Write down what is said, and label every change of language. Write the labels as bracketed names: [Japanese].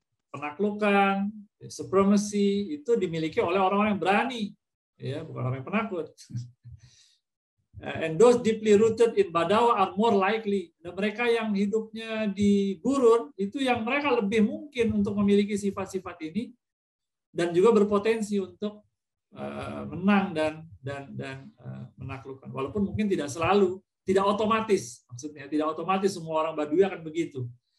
[Indonesian] Penaklukan, supremacy itu dimiliki oleh orang-orang yang berani, ya, bukan orang yang penakut. [English] And those deeply rooted in Badawa are more likely. [Indonesian] Dan mereka yang hidupnya di gurun, itu yang mereka lebih mungkin untuk memiliki sifat-sifat ini dan juga berpotensi untuk menang dan menaklukkan. Walaupun mungkin tidak selalu, tidak otomatis. Maksudnya tidak otomatis semua orang Badui akan begitu.